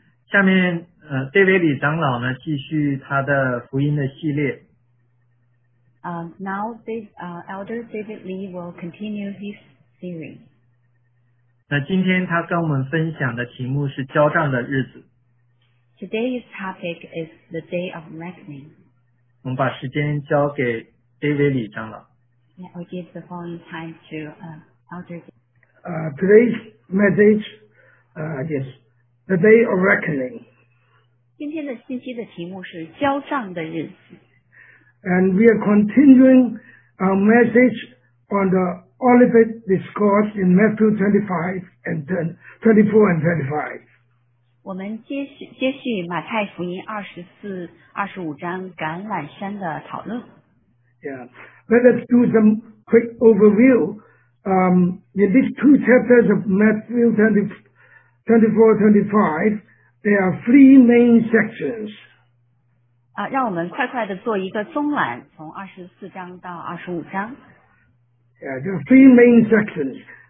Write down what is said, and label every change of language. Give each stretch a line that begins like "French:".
Chinese: 下面，David 长老呢，继续他的福音的系列。
English: Now this Elder David Lee will continue his series.
Chinese: 那今天他跟我们分享的题目是交账的日子。
English: Today's topic is the day of reckoning.
Chinese: 我们把时间交给 David 李长老。
English: I'll give the following time to Elder Today's message, the day of reckoning.
Chinese: 今天的信息的题目是交账的日子。
English: And we are continuing our message on the Olivet Discourse in Matthew 24 and 25.
Chinese: 我们接续马太福音24、25章橄榄山的讨论。
English: Let us do some quick overview. In these two chapters of Matthew 24-25, there are three main sections.
Chinese: 让我们快快的做一个综览，从24章到25章。
English: There are three main sections.